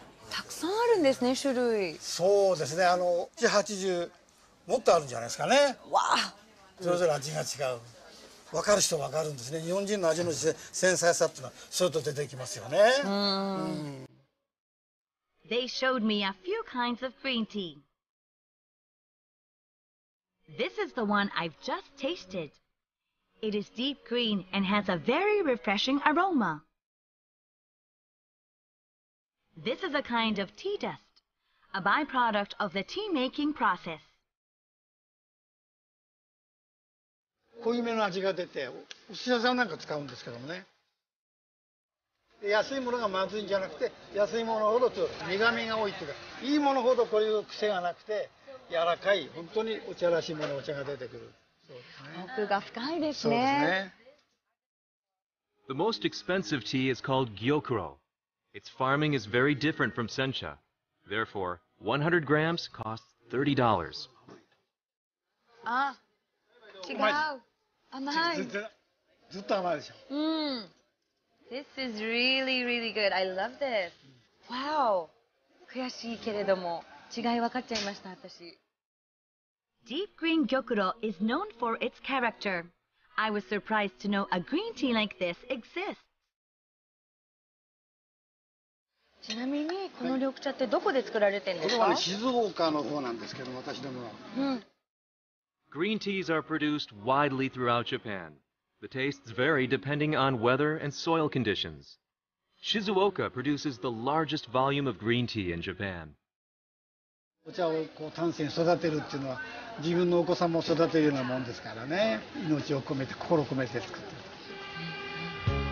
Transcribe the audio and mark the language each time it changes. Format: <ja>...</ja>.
<ja>たくさんあるんですね、種類。そうですね、80、もっとあるんじゃないですかね。わあ。それぞれ味が違う。わかる人はわかるんですね。日本人の味の繊細さっていうのは、それと出てきますよね。</ja> <en>They showed me a few kinds of green tea. This is the one I've just tasted. It is deep green and has a very refreshing aroma. This is a kind of tea dust, a byproduct of the tea making process.</en> <ja>濃いめの味が出て、お寿司屋さんなんか使うんですけどもね。安いものがまずいんじゃなくて、安いものほどちょっと苦味が多いっていうか、いいものほどこういう癖がなくて、柔らかい、本当にお茶らしいものお茶が出てくる。そうですね。奥が深いですね。そうですね。</ja> <en>The most expensive tea is called Gyokuro. Its farming is very different from Sencha. Therefore, 100 grams costs $30.</en> <ja>Ah. 違う。甘い。ずっと甘いでしょ。うん。</ja> <en>This is really, really good. I love this. Wow.</en> <ja>悔しいけれども、違い分かっちゃいました、私。</ja> <en>Deep green gyokuro is known for its character. I was surprised to know a green tea like this exists.</en> <ja>ちなみに、この緑茶ってどこで作られてるんですか？これは、静岡の方なんですけど、私どもは。うん。</ja> <en>Green teas are produced widely throughout Japan. The tastes vary depending on weather and soil conditions. Shizuoka produces the largest volume of green tea in Japan.</en> <ja>お茶をこう丹精育てるっていうのは自分のお子さんも育てるようなもんですからね。命を込めて心を込めて作ってる。</ja>